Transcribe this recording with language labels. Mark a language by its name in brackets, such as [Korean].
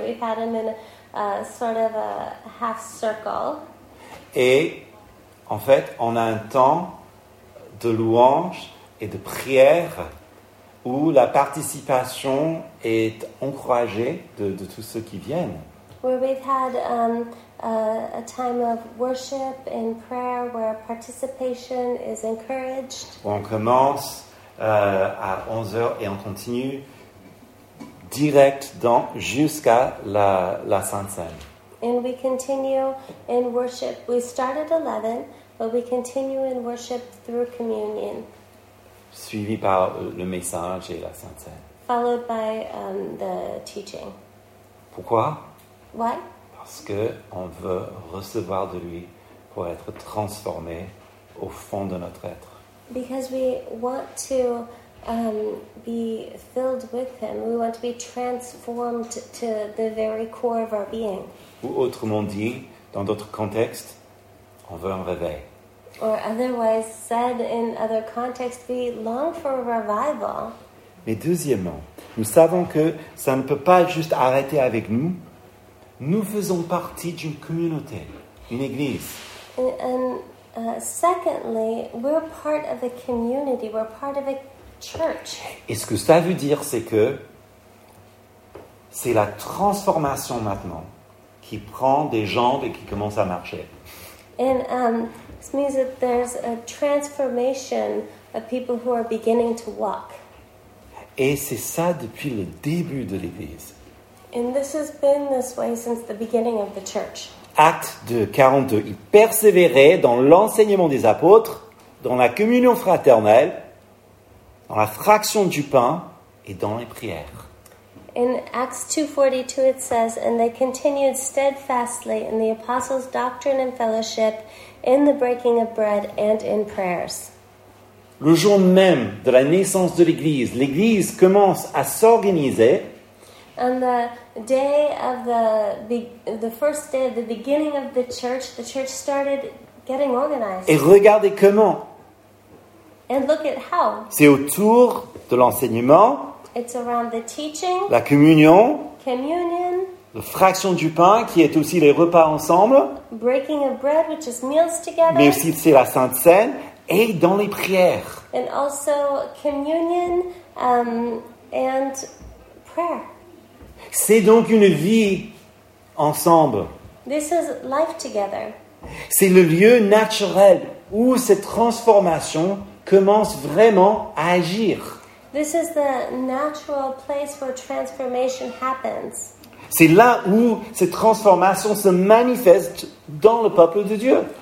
[English] We've had them in a sort of a half circle. [French] Et en fait, on a un temps de louange et de prière où la participation est encouragée de tous ceux qui viennent. [English] Where we've had a time of worship and prayer where participation is encouraged. [French] Où on commence à 11h et on continue direct dans jusqu'à la Sainte Cène. [English] And we continue in worship. We start at 11, but we continue in worship through communion. [French] Suivi par le message et la Sainte Cène. [English] Followed by the teaching. [French] Pourquoi? [English] Why? [French] Parce que on veut recevoir de lui pour être transformé au fond de notre être. [English] Because we want to be filled with him. We want to be transformed to the very core of our being. [French] Ou autrement dit, dans d'autres contextes, On veut un réveil. [English] Or otherwise said in other contexts, we long for a revival. [French] Mais deuxièmement, nous savons que ça ne peut pas juste arrêter avec nous. Nous faisons partie d'une communauté, une église. [English] And secondly, we're part of a community, we're part of a church. [French] Et ce que ça veut dire, c'est que c'est la transformation maintenant qui prend des jambes et qui commence à marcher. [English] And this means that there's a transformation of people who are beginning to walk. [French] Et c'est ça depuis le début de l'Église. [English] And this has been this way since the beginning of the church. [French] Acte 2, 42. Ils persévéraient dans l'enseignement des apôtres, dans la communion fraternelle, dans la fraction du pain et dans les prières. [English] In Acts 2:42 it says, and they continued steadfastly in the apostles' doctrine and fellowship, in the breaking of bread and in prayers. [French] Le jour même de la naissance de l'Église, l'Église commence à s'organiser. [English] On the day of the first day of the beginning of the church started getting organized. [French] Et regardez comment. [English] And look at how. [French] C'est autour de l'enseignement. [English] It's around the teaching. [French] La communion. [English] Communion. [French] La fraction du pain, qui est aussi les repas ensemble. [English] Breaking of bread, which is meals together. [French] Mais aussi c'est la Sainte Cène et dans les prières. [English] And also communion and prayer. [French] C'est donc une vie ensemble. [English] This is life together. [French] C'est le lieu naturel où cette transformation commence vraiment à agir. [English] This is the natural place where transformation happens. [French] C'est là où cette transformation se manifeste dans le peuple de Dieu.